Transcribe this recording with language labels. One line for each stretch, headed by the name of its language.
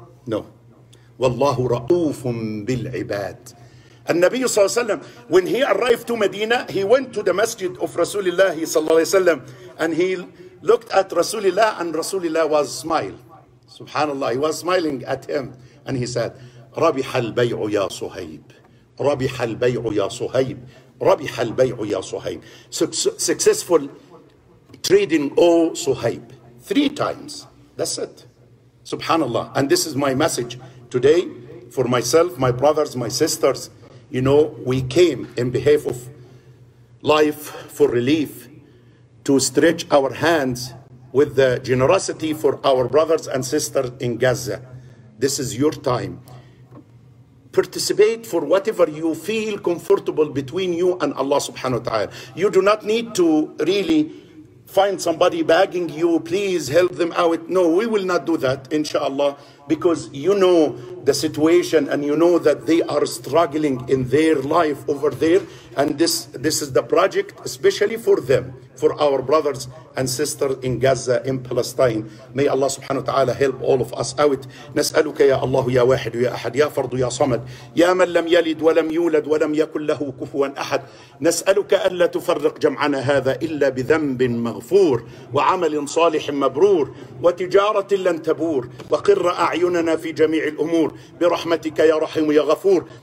Arabic: No. وَاللَّهُ رَؤُوفٌ بِالْعِبَادِ.
English: النبي صلى الله عليه وسلم, when he arrived to Medina, he went to the masjid of Rasulullah صلى الله عليه وسلم, and he looked at Rasulullah, and Rasulullah was smiling. Subhanallah, he was smiling at him. And he said,
Arabic: رَبِحَ الْبَيْعُ يَا صُهَيْبُ رَبِحَ الْبَيْعُ يَا صُهَيْبُ رَبِحَ الْبَيْعُ يَا صُهَيْبُ.
English: Successful trading, oh Suhaib. Three times. That's it. Subhanallah. And this is my message today for myself, my brothers, my sisters. You know, we came in behalf of life for relief to stretch our hands with the generosity for our brothers and sisters in Gaza. This is your time. Participate for whatever you feel comfortable between you and Allah subhanahu wa ta'ala. You do not need to really find somebody begging you, please help them out. No, we will not do that, inshallah, because you know the situation and you know that they are struggling in their life over there. And this is the project, especially for them, for our brothers and sisters in Gaza, in Palestine. May Allah subhanahu wa ta'ala help all of us out.
Arabic: نسألك يا الله يا واحد يا أحد يا فرد يا صمد يا من لم يلد ولم يولد ولم يكن له كفوا أحد. نسألك ألا تفرق جمعنا هذا إلا بذنب مغفور وعمل صالح مبرور وتجارة لن تبور وقر أعيننا في جميع الأمور برحمتك يا رحيم يا غفور.